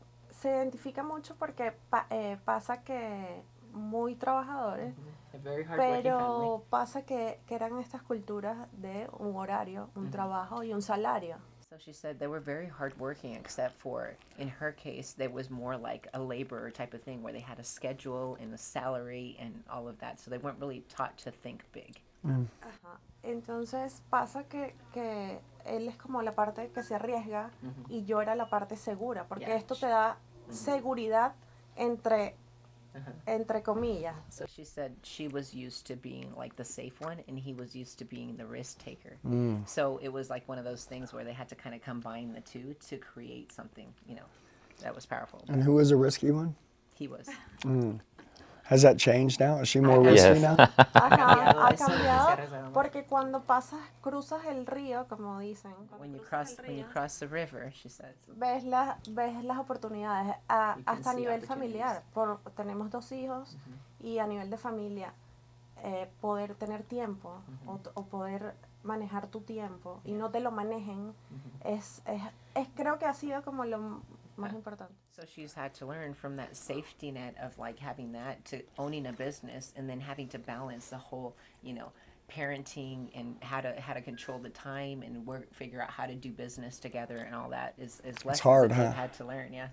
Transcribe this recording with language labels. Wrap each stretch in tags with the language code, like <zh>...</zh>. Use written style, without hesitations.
<es>Se identifica mucho porque pasa que muy trabajadores, pero pasa que eran estas culturas de un horario, un trabajo y un salario.</es> <en>So she said they were very hardworking, except for in her case, there was more like a laborer type of thing where they had a schedule and a salary and all of that. So they weren't really taught to think big.</en> <es>Entonces pasa que él es como la parte que se arriesga y yo era la parte segura, porque esto te da seguridad entre comillas.</es> <en>So she said she was used to being like the safe one and he was used to being the risk taker. So it was like one of those things where they had to kind of combine the two to create something, you know, that was powerful. And who was the risky one? He was. Has that changed now? Is she more risky now?</en> <es>Ha cambiado, porque cuando pasas, cruzas el río, como dicen.</es> <en>When you cross the river, she says.</en> <es>Ves las oportunidades, hasta a nivel familiar. Tenemos dos hijos, y a nivel de familia, poder tener tiempo, o poder manejar tu tiempo, y no te lo manejen, es creo que ha sido como lo...</es> <en>So she's had to learn from that safety net of like having that to owning a business and then having to balance the whole, you know, parenting and how to control the time and work, figure out how to do business together and all that is less hard, that huh? You've had to learn. Yeah.</en>